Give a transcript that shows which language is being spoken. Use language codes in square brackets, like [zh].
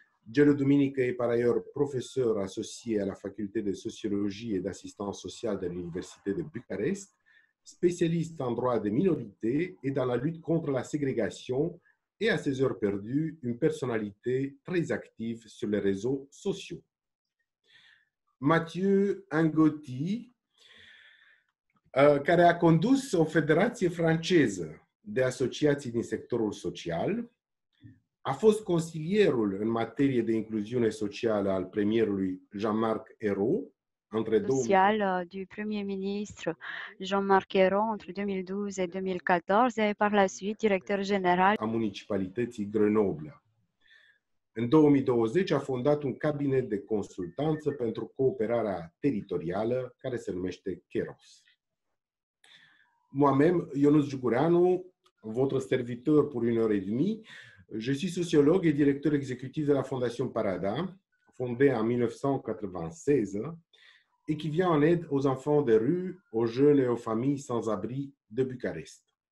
[fr] Gelu Duminică est par ailleurs professeur associé à la faculté de sociologie et d'assistance sociale de l'Université de Bucarest, spécialiste en droit des minorités et dans la lutte contre la ségrégation. Et à ses heures perdues, une personnalité très active sur les réseaux sociaux. [ro] Mathieu Angotti, care a condus o federație franceză de asociații din sectorul social, a fost consilierul în materie de incluziune socială al premierului Jean-Marc Ayrault între 2000. [fr] Social du Premier ministre Jean-Marc Ayrault entre 2012 et 2014 et par la suite directeur général. [ro] A municipalității Grenoble. În 2020 a fondat un cabinet de consultanță pentru cooperarea teritorială care se numește Keros. [fr] Moi-même, Ionuț Jugureanu, votre serviteur pour une heure et demie, je suis sociologue et directeur exécutif de la Fondation Parada, fondée en 1996 et qui vient en aide aux enfants de rue, aux jeunes et aux familles sans abri de Bucarest.